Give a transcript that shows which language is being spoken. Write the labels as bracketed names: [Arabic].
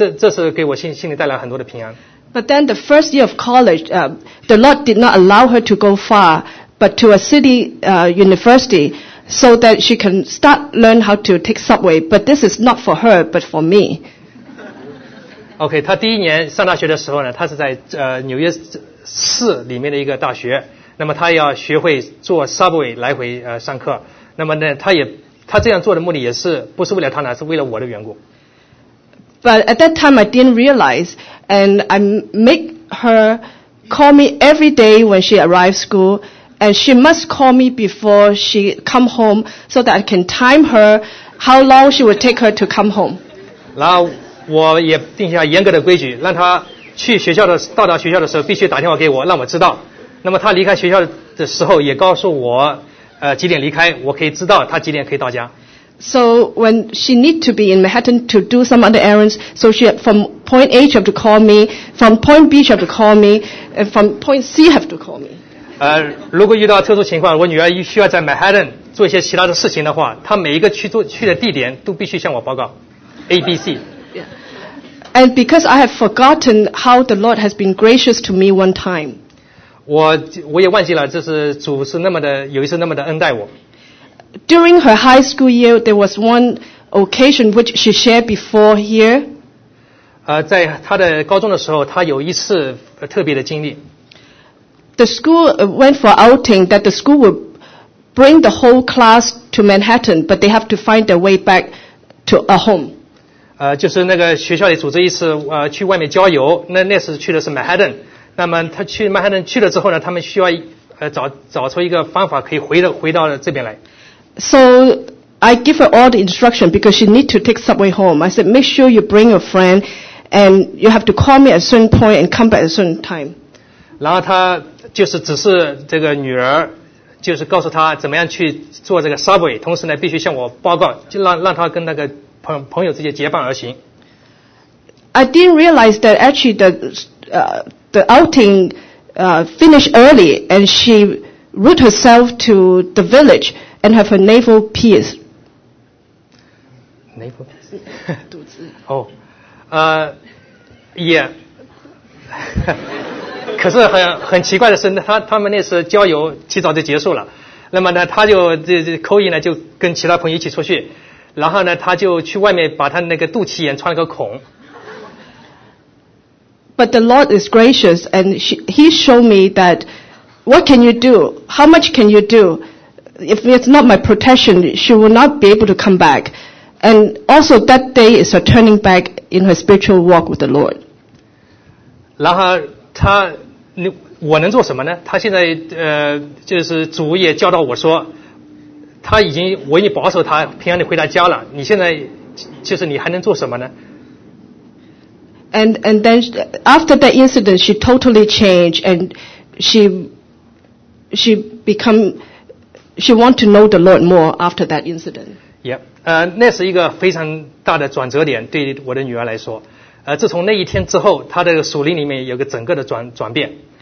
[Chinese] 这是给我心里带来很多的平安。 [English] But then the first year of college, the Lord did not allow her to go far, but to a city university, so that she can start learn how to take subway. But this is not for her, but for me. [Chinese] Okay, 她第一年上大学的时候呢，她是在纽约市里面的一个大学。那么他要学会坐 subway 来回上课，那么呢，他这样做的目的也是不是为了他呢，是为了我的缘故。 [English] But at that time I didn't realize, and I make her call me every day when she arrives school, and she must call me before she come home so that I can time her how long she will take her to come home. [Chinese] 然后我也定下严格的规矩，让她去学校的到达学校的时候必须打电话给我，让我知道。那么她离开学校的时候也告诉我几点离开，我可以知道她几点可以到家。 [English] So when she need to be in Manhattan to do some other errands, so she from point A she have to call me, from point B she have to call me, and from point C have to call me. [Chinese] 如果遇到特殊情况，我女儿需要在 Manhattan 做一些其他的事情的话，她每一个去的地点都必须向我报告 ，A、B、C。 [English] And because I have forgotten how the Lord has been gracious to me one time. [Chinese] 我也忘记了，就是主是那么的，有一次那么的恩待我。 [English] During her high school year, there was one occasion which she shared before here. [Chinese] 在她的高中的时候，她有一次特别的经历。 [English] The school went for outing that the school would bring the whole class to Manhattan, but they have to find their way back to a home. [Chinese] 就是那个学校里组织一次去外面郊游，那次去的是 Manhattan。那么她去 Manhattan 去了之后呢，他们需要找出一个方法可以回到这边来。 [English] So I give her all the instruction because she need to take subway home. I said, make sure you bring a friend and you have to call me at a certain point and come back at a certain time. [Chinese] 然后她就是只是这个女儿就是告诉她怎么样去做这个 subway, 同时呢必须向我报告，就让她跟那个朋友之间结伴而行。 [English] I didn't realize that actually the outing finished early and she route herself to the village and have her navel pierced. Navel pierced? [Chinese] 肚子。哦。 [English] Yeah. [Chinese] 可是很奇怪的是他们那次郊游起早就结束了。那么呢他就Cody呢就跟其他朋友一起出去。然后呢他就去外面把他那个肚脐眼穿了个孔。 [English] But the Lord is gracious and he showed me that what can you do? How much can you do? If it's not my protection, she will not be able to come back. And also that day is her turning back in her spiritual walk with the Lord. [Chinese] 然后她，我能做什么呢？她现在就是主也教导我说，她已经我已经保守她平安地回到家了。你现在就是你还能做什么呢？ [English] And then after that incident, she totally changed and she want to know the Lord more after that incident. Yeah, [Chinese] 那是一个非常大的转折点对我的女儿来说。自从那一天之后，她的属灵里面有个整个的转变。